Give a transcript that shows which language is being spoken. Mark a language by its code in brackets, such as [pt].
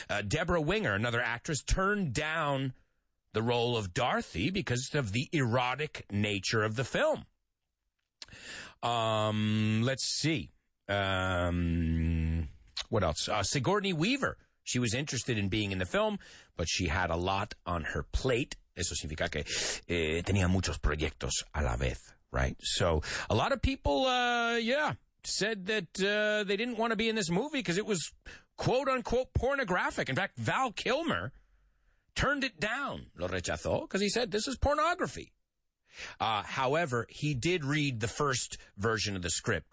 [en] Deborah Winger, another actress, turned down the role of Dorothy because of the erotic nature of the film. Let's see. What else? Sigourney Weaver. She was interested in being in the film, but she had a lot on her plate. [es] Eso significa que tenía muchos proyectos a la vez, right? [en] So a lot of people, said that they didn't want to be in this movie because it was quote-unquote pornographic. In fact, Val Kilmer turned it down, [es] lo rechazó, [en] because he said, this is pornography. However, he did read the first version of the script.